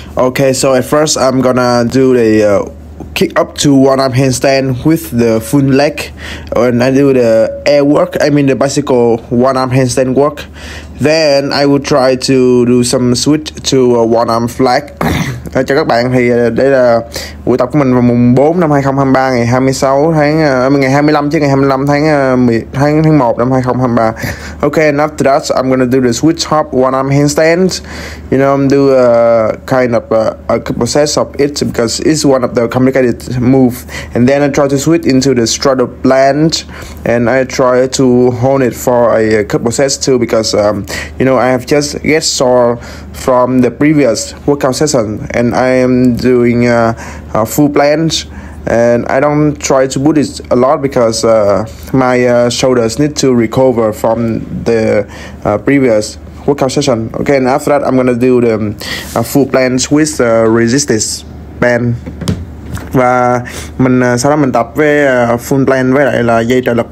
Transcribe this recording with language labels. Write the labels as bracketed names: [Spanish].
[English] Okay, so at first I'm gonna do the kick up to one arm handstand with the full leg, and I do the air work, I mean the bicycle one arm handstand work. Then I will try to do some switch to a one arm flag. [Vietnamese] Cho các bạn thì đây là buổi tập của mình vào mùng 4 năm 2023 ngày 26 tháng ngày 25 chứ ngày 25 tháng tháng 1 năm 2023. [English] Okay, and after that I'm gonna do the switch hop one arm handstand. You know, I'm do a couple sets of it because it's one of the complicated move. And then I try to switch into the straddle planche and I try to hone it for a couple sets too because you know, I have just get sore from the previous workout session. And I am doing a full planche, and I don't try to boot it a lot because my shoulders need to recover from the previous workout session. Okay, and after that, I'm gonna do the full planche with the resistance band. [Vietnamese] Và mình sau đó mình tập với full planche với lại là dây trợ lực.